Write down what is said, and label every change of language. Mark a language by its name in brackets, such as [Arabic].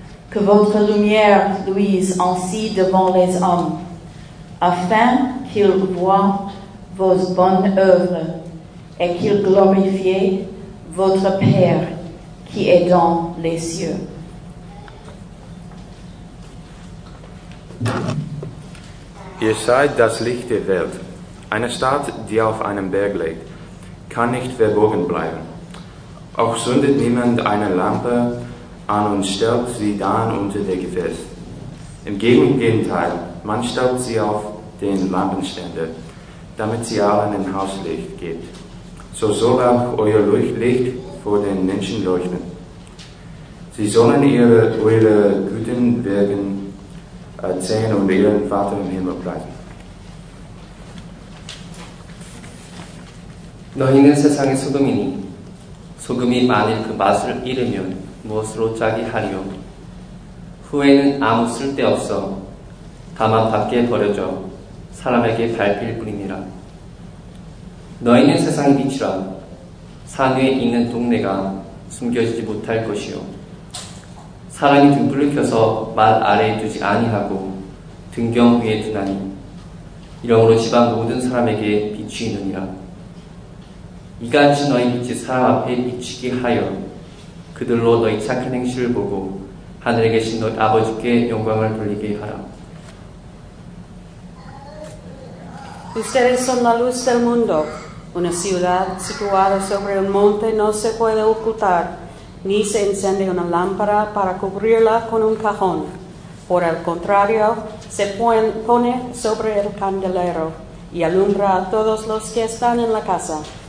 [French] Que votre lumière luise ainsi devant les hommes, afin qu'ils voient vos bonnes œuvres et qu'ils glorifient votre Père qui est dans les cieux. [German] Ihr seid das Licht der Welt. Eine Stadt, die auf einem Berg liegt, kann nicht verborgen bleiben. Auch zündet niemand eine Lampe an und stellt sie dann unter der Gefäß. Im Gegenteil, man stellt sie auf den Lampenständer, damit sie allen im Haus Licht gibt. So soll auch euer Licht vor den Menschen leuchten. Sie sollen eure guten Werke erzählen und ihren Vater im Himmel preisen. [Korean] 너희는 세상의 소금이니 소금이 만일 그 맛을 잃으면 무엇으로 짜게 하리요? 후에는 아무 쓸데 없어 다만 밖에 버려져 사람에게 밟힐 뿐이니라. 너희는 세상의 빛이라 산 위에 있는 동네가 숨겨지지 못할 것이요. 사람이 등불을 켜서 말 아래에 두지 아니하고 등경 위에 두나니 이러므로 집안 모든 사람에게 빛이 있느니라. 이같이 너희 빛이 사람 앞에 비치게 하여 그들로 너희 착한 행실을 보고 하늘에 계신 너희 아버지께 영광을 돌리게 하라. [Spanish] Ustedes son la luz del mundo. Una ciudad situada sobre un monte no se puede ocultar, ni se enciende una lámpara para cubrirla con un cajón. Por el contrario, se pone sobre el candelero y alumbra a todos los que están en la casa.